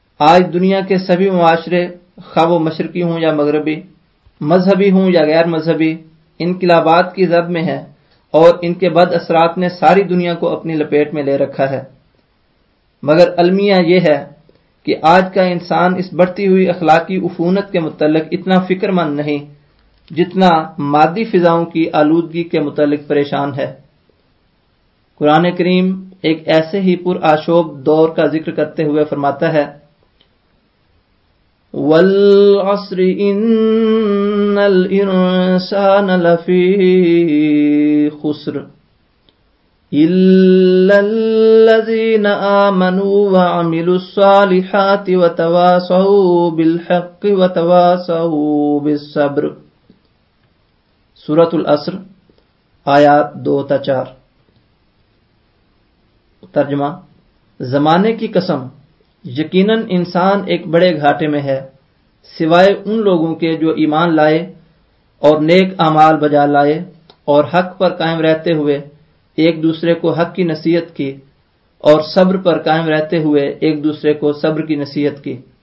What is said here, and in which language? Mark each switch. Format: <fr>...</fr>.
<ur>آج دنیا کے سبھی معاشرے، خواہ وہ مشرقی ہوں یا مغربی، مذہبی ہوں یا غیر مذہبی، انقلابات کی زد میں ہیں، اور ان کے بد اثرات نے ساری دنیا کو اپنی لپیٹ میں لے رکھا ہے۔ مگر المیہ یہ ہے کہ آج کا انسان اس بڑھتی ہوئی اخلاقی عفونت کے متعلق اتنا فکر مند نہیں جتنا مادی فضاؤں کی آلودگی کے متعلق پریشان ہے۔ قرآن کریم ایک ایسے ہی پر آشوب دور کا ذکر کرتے ہوئے فرماتا ہے:</ur> <ar>والعصر ان الانسان لفی خسر الا الذین آمنوا وعملوا الصالحات وتواصوا بالحق وتواصوا بالصبر۔</ar> <ur>سورۃ العصر آیات 2-4۔ ترجمہ: زمانے کی قسم، یقیناً انسان ایک بڑے گھاٹے میں ہے سوائے ان لوگوں کے جو ایمان لائے اور نیک اعمال بجا لائے اور حق پر قائم رہتے ہوئے ایک دوسرے کو حق کی نصیحت کی، اور صبر پر قائم رہتے ہوئے ایک دوسرے کو صبر کی نصیحت کی۔</ur>